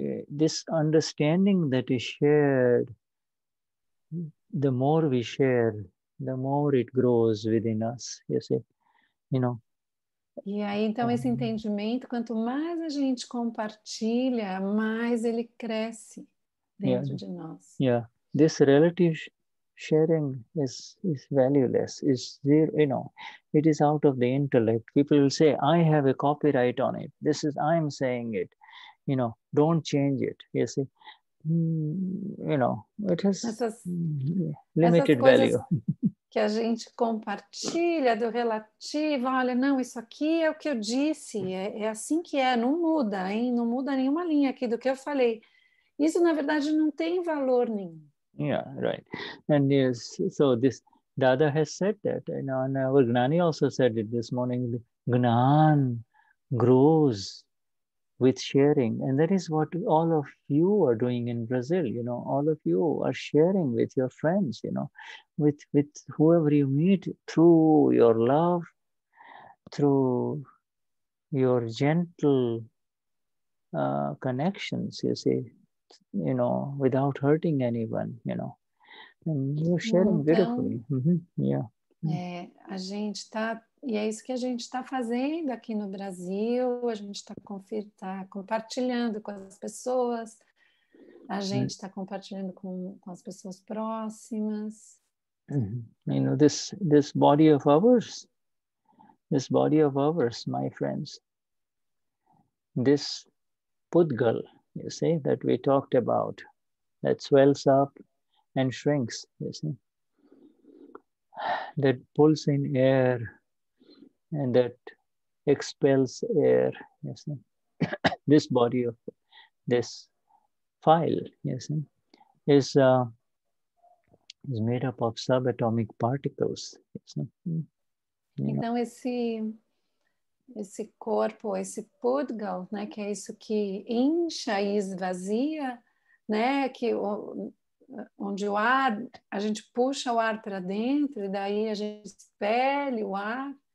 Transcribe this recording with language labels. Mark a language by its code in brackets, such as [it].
[en] This understanding that is shared, the more we share, the more it grows within us, you see, you know. [pt] E aí, então, esse entendimento, quanto mais a gente compartilha, mais ele cresce. Dentro yeah. de nós. [en] Yeah, this relative sharing is valueless. Is zero, you know, it is out of the intellect. People will say, "I have a copyright on it. This is I am saying it. You know, don't change it." You see, you know, it has limited value. [pt] Que a gente compartilha do relativo. Olha, não, isso aqui é o que eu disse. É assim que é. Não muda, hein? Não muda nenhuma linha aqui do que eu falei. Isso, na verdade, não tem valor nenhum. [en] Yeah, right. And yes, so this Dada has said that, you know, and our Gnani also said it this morning. Gnan grows with sharing. And that is what all of you are doing in Brazil, you know. All of you are sharing with your friends, you know, with whoever you meet through your love, through your gentle connections, you see. You know, without hurting anyone, you know. And you're sharing então, beautifully. Mm-hmm. Yeah. [pt] É, a gente tá, e é isso que a gente está fazendo aqui no Brasil. A gente tá compartilhando com as pessoas. A gente está compartilhando com as pessoas próximas. Mm-hmm. [en] You know, this body of ours, this body of ours, my friends. This Pudgal. You see, that we talked about, that swells up and shrinks, you see, that pulls in air and that expels air, you see, this body of this file, you see, is made up of subatomic particles, you see. [pt] Então, esse corpo, esse pudgal, né, que é isso que incha e esvazia, né, que onde o ar, a gente puxa o ar para dentro e daí a gente expele o ar.